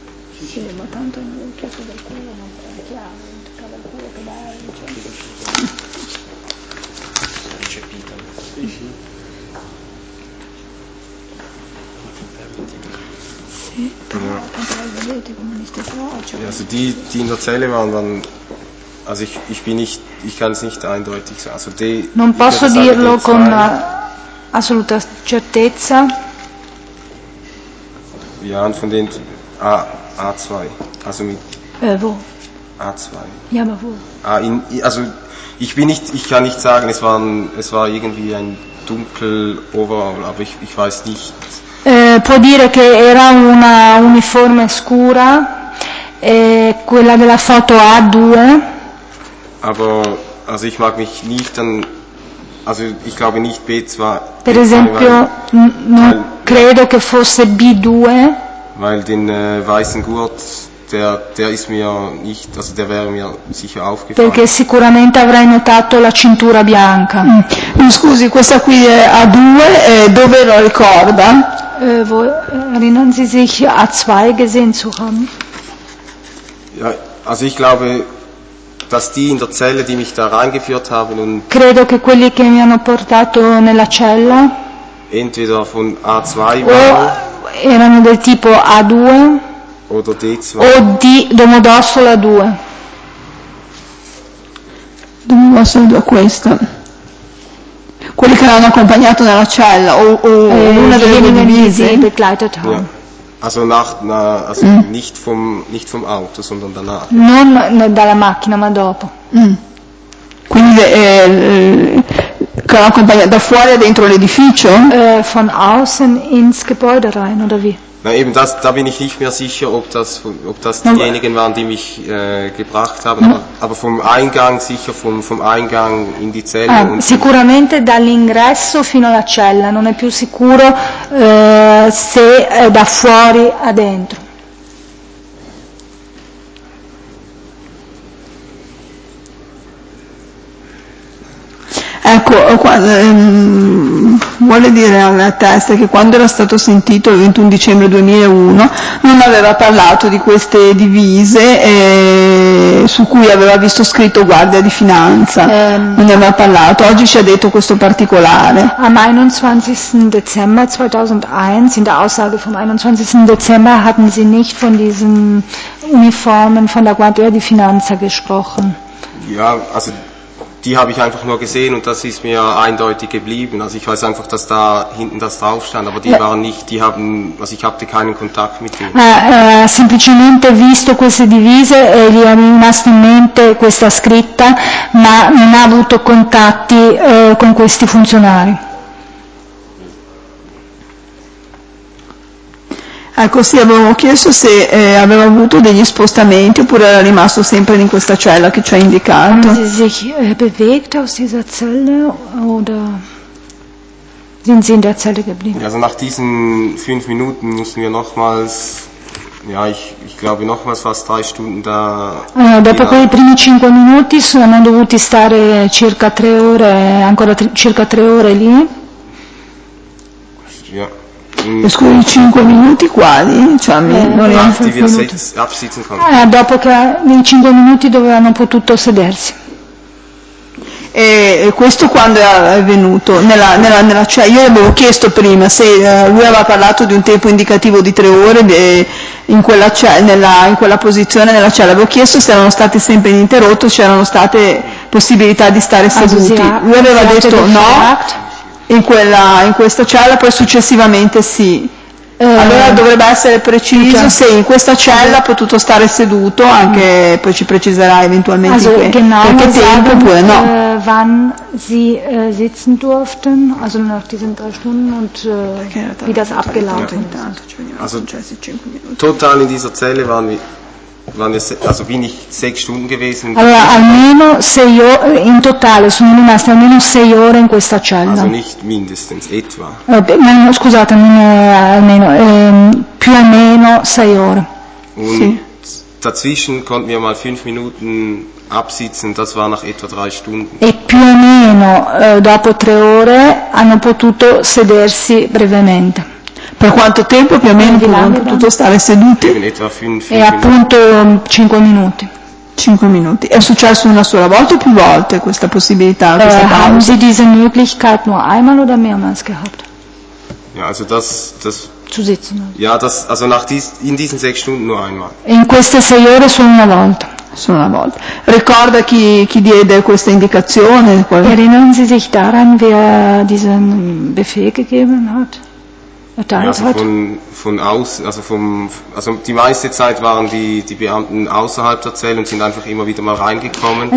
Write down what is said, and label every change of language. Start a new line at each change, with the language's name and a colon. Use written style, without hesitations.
Italian: difficile, ma tanto non ho chiesto dal culo, non è chiaro, non toccava il culo, che bello, cioè. Percepito. Sì, però ja. Vedete come mi sto facendo.
German: Ja, also die, die in der Zelle waren, dann, also ich, ich bin nicht, ich kann es nicht eindeutig sagen. Also die,
Italian: non posso dirlo con assoluta certezza.
German: Wir waren von den A, A2, also mit wo? A2. Ja, aber wo? A in, also ich bin nicht, ich kann nicht sagen, es waren, es war irgendwie ein dunkel overall, aber ich, ich weiß nicht.
Italian: Può dire che era una uniforme scura, quella della foto A2.
German: Aber also ich mag mich nicht an, also ich glaube nicht B2.
Italian: Per esempio, non credo che fosse B2.
German: Weil den weißen Gurt, der, der ist mir nicht, also der wäre mir sicher aufgefallen.
Italian: Perché sicuramente avrei notato la cintura bianca. Mm. Scusi, questa qui è A2, dove lo ricorda?
German: Wo erinnern Sie sich, A2 gesehen zu haben? Ja, also ich glaube, dass die in der Zelle, die mich da reingeführt haben und
Italian: credo che quelli che mi hanno portato nella cella
German: entweder von A2
Italian: erano del tipo A2
German: oder D2
Italian: o di Domodossola 2. Domodossola 2 questa. Quelli che l'hanno accompagnato nella cella o una delle due divise
German: begleitet haben. Ja. Also nach na, also mm. nicht vom nicht vom Auto, sondern danach.
Italian: Non dalla macchina, ma dopo. Mm. Quindi che l'ha accompagnato da fuori dentro l'edificio?
German: Von außen ins Gebäude rein oder wie? Na eben, das, da bin ich nicht mehr sicher, ob das diejenigen waren, die mich gebracht haben. Aber vom Eingang sicher, vom, vom Eingang in die Zelle.
Italian: Ah, und sicuramente dall'ingresso fino alla cella. Non è più sicuro se è da fuori a dentro. Ecco, qua, vuole dire alla testa che quando era stato sentito il 21 dicembre 2001 non aveva parlato di queste divise su cui aveva visto scritto guardia di finanza, non ne aveva parlato, oggi ci ha detto questo particolare.
German: Am 21. Dezember 2001, in der Aussage vom 21. Dezember, hatten Sie nicht von diesen Uniformen von der Guardia di Finanza gesprochen? Ja, also die habe ich einfach nur gesehen und das ist mir eindeutig geblieben. Also ich weiß einfach, dass da hinten das drauf stand, aber die waren nicht, die haben, also ich hatte keinen Kontakt mit ihnen.
Italian: Semplicemente visto queste divise e gli è rimasto in mente questa scritta, ma non ha avuto contatti con questi funzionari. Ecco, sì, avevo chiesto se aveva avuto degli spostamenti oppure era rimasto sempre in questa cella che ci ha indicato.
German: Haben Sie sich bewegt aus dieser Zelle oder sind Sie in der Zelle geblieben? Also nach diesen fünf Minuten mussten wir nochmals, ja, ich glaube nochmals fast drei Stunden da.
Italian: Dopo quei primi cinque minuti sono dovuti stare circa tre ore, ancora circa tre ore lì.
German: Ja.
Italian: Scusi, 5 minuti quali? Cioè, non è dopo che nei 5 minuti dovevano potuto sedersi. E questo quando è venuto? Nella, cioè io avevo chiesto prima se lui aveva parlato di un tempo indicativo di 3 ore in quella posizione nella cella. Avevo chiesto se erano stati sempre ininterrotto, se erano state possibilità di stare seduti. Lui aveva detto no. In questa cella, poi successivamente sì. Allora dovrebbe essere preciso se in questa cella ha potuto stare seduto, anche poi ci preciserà eventualmente qualche tempo oppure no.
German: Wann sie sitzen durften, also nach diesen drei Stunden und wie das abgelaufen ist. Also total in dieser Zelle waren wir. Also bin ich 6 Stunden gewesen.
Italian: Allora, almeno 6 ore, in totale sono rimaste almeno 6 ore in questa cella.
German: Also nicht mindestens, etwa.
Italian: Scusate, almeno, più o meno 6 ore.
German: Und sì. Dazwischen konnten wir mal 5 Minuten absitzen, das war nach etwa 3 Stunden.
Italian: E più o meno dopo 3 ore hanno potuto sedersi brevemente. Per quanto tempo più o meno abbiamo potuto stare seduti? E appunto 5 minuti. 5 minuti. È successo una sola volta o più volte questa possibilità, questa pausa?
German: Haben Sie diese Möglichkeit nur einmal oder mehrmals gehabt? Ja, also das zu sitzen. Ja, das also nach in diesen 6 Stunden nur einmal.
Italian: In queste 6 ore solo una volta. Solo una volta. Ricorda chi diede questa indicazione?
German: Erinnern Sie sich daran, wer diesen Befehl gegeben hat? Ja, also von aus, also vom, also die meiste Zeit waren die Beamten außerhalb der Zelle und sind einfach immer wieder mal reingekommen.